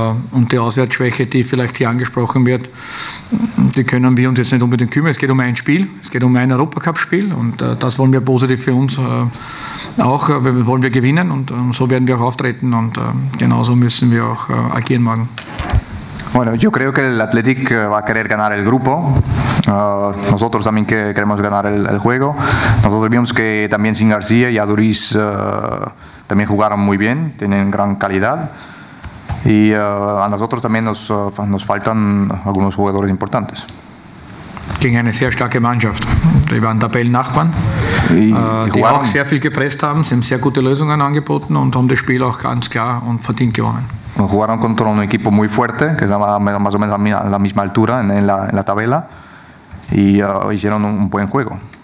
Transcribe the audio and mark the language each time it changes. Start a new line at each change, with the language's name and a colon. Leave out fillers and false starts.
German: Und die Auswärtsschwäche, die vielleicht hier angesprochen wird, die können wir uns jetzt nicht unbedingt kümmern. Es geht um ein Spiel, es geht um ein Europacup-Spiel und das wollen wir positiv für uns auch, wollen wir gewinnen und so werden wir auch auftreten und genauso müssen wir auch agieren morgen.
Spanish: Bueno, yo creo que el Athletic va a querer ganar el grupo. Nosotros también queremos ganar el juego. Nosotros vimos que también sin García y Aduriz también jugaron muy bien, tienen gran calidad. Y a nosotros también nos faltan algunos jugadores importantes.
German: Gegen eine sehr starke Mannschaft. Die waren Tabellennachbarn, die auch sehr viel gepresst haben. Sie haben sehr gute Lösungen angeboten und haben das Spiel auch ganz klar und verdient gewonnen. Wir
Spanish: jugaron contra un equipo muy fuerte, que estaba más o menos a la misma altura en la tabla, y hicieron un buen juego.